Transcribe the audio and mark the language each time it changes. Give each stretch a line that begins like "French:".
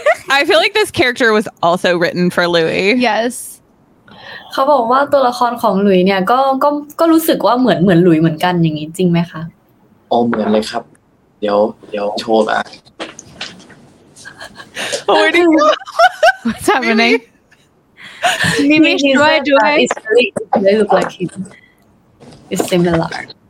English: I feel like this character was also written for Louis. Yes.
Thai: เขาบอกว่าตัวละครของหลุยเนี่ยก็รู้สึกว่าเหมือนหลุยเหมือนกันอย่างนี้จริงไหมคะ อ๋อเหมือนเลยครับเดี๋ยวโชว์นะ
English: What's happening Mimi should I do it It's really look like him It's similar